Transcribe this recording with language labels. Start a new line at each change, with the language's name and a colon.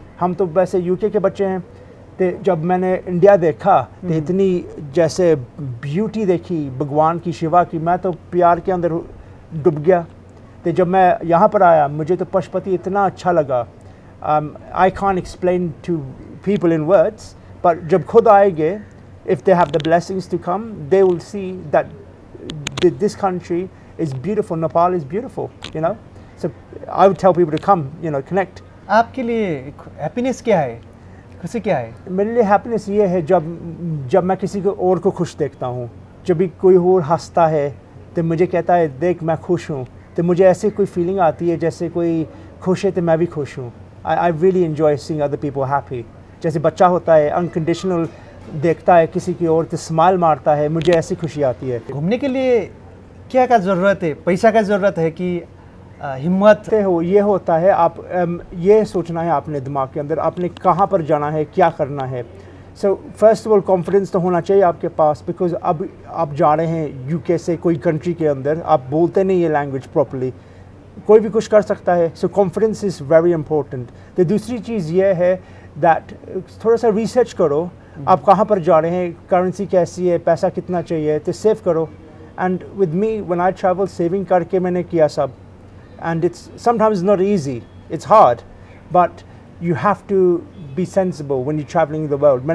Hindi: हम तो वैसे यूके के बच्चे हैं. तो जब मैंने इंडिया देखा, तो इतनी जैसे ब्यूटी देखी भगवान की, शिवा की, मैं तो प्यार के अंदर डूब गया. तो जब मैं यहाँ पर आया, मुझे तो पशुपति इतना अच्छा लगा,
English: I can't explain to people in words.
Hindi: पर जब खुद आएंगे
English: if they have the blessings to come, they will see that this country is beautiful, Nepal is beautiful, you know. So I would tell people to come, you know, connect.
Hindi: आपके लिए happiness क्या है, खुशी क्या है? मेरे लिए happiness ये है जब मैं किसी को और को खुश देखता हूँ, जब भी कोई और हँसता है तो मुझे कहता है देख मैं खुश हूँ, तो मुझे ऐसे कोई feeling आती है जैसे कोई खुश है तो मैं भी खुश हूँ.
English: I really enjoy seeing other people happy.
Hindi: जैसे बच्चा होता है unconditional देखता है किसी की ओर तो smile मारता है, मुझे ऐसी खुशी आती है. घूमने के लिए क्या का ज़रूरत है, पैसा का ज़रूरत है कि हिम्मत हो? ये होता है आप ये सोचना है आपने दिमाग के अंदर आपने कहाँ पर जाना है, क्या करना है. So first of all confidence तो होना चाहिए आपके पास, बिकॉज अब आप जा रहे हैं UK से कोई कंट्री के अंदर, आप बोलते नहीं ये लैंग्वेज प्रॉपरली, कोई भी कुछ कर सकता है.
English: So confidence is very important.
Hindi: तो दूसरी चीज़ ये है दैट थोड़ा सा रिसर्च करो, आप कहाँ पर जा रहे हैं, करेंसी कैसी है, पैसा कितना चाहिए, तो सेव करो.
English: and with me when I travel
Hindi: saving करके मैंने किया सब.
English: And it's sometimes not easy, it's hard, but you have to be sensible when you're traveling the world.